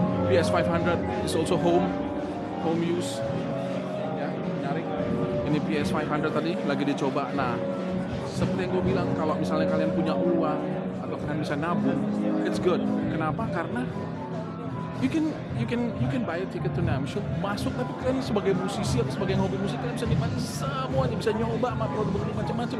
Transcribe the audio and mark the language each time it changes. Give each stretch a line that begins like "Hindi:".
English: PS500 is also home use.
Indonesian: Ya, menarik. Ini PS500 tadi lagi dicoba. Nah, seperti yang gue bilang, kalau misalnya kalian punya uang atau kalian bisa nabung,
English: it's good.
Indonesian: Kenapa? Karena
English: You can buy a ticket to NAMM Show.
Indonesian: Masuk tapi kalian sebagai musisi atau sebagai hobi musik, kalian bisa nikmati semuanya, bisa nyoba sama produk macam-macam.